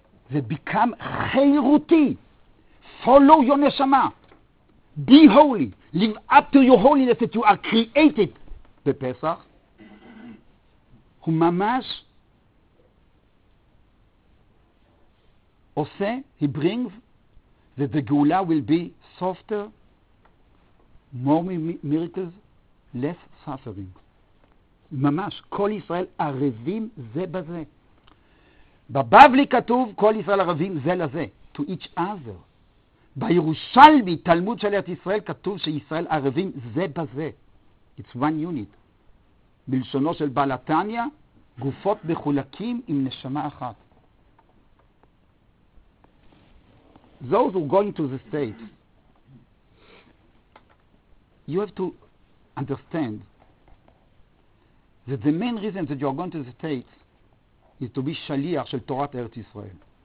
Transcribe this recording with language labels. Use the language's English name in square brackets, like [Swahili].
[Hebrew] זה [English] become [Hebrew] חירותי. [English] Follow your נשמה. Be holy. Live up to your holiness that you are created. בפסח. [Hebrew] הוא ממש עושה, [English] he brings that the גאולה will be softer more miracles, less suffering. [Hebrew] ממש, כל ישראל ערבים זה בזה. בבבלי כתוב, כל ישראל ערבים זה לזה. [English] To each other. [Hebrew] בירושלמי, תלמוד של ארץ ישראל, כתוב שישראל ערבים זה בזה. [English] It's one unit. [Hebrew] בלשונו של בעל התניא, גופות מחולקים עם נשמה אחת. [English] Those who are going to the state, you have to understand that the main reason that you are going to the state is to be shaliach [Hebrew] של תורת ארץ ישראל.